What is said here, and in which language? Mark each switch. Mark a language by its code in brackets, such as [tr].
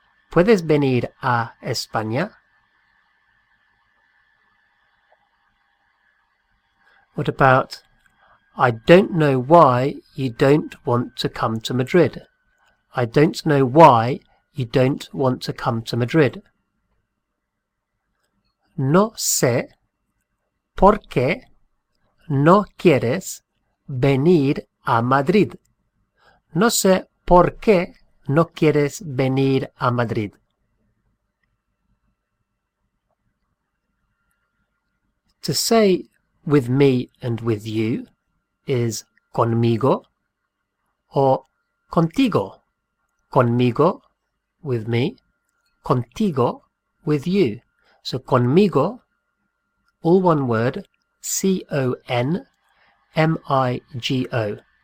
[es] ¿Puedes venir a España? [en] What about, I don't know why you don't want to come to Madrid. I don't know why you don't want to come to Madrid. [es] No sé por qué no quieres venir a Madrid. No sé por qué no quieres venir a Madrid. [en] To say with me and with you is conmigo or contigo. Conmigo, with me. Contigo, with you. So conmigo, all one word, CONMIGO.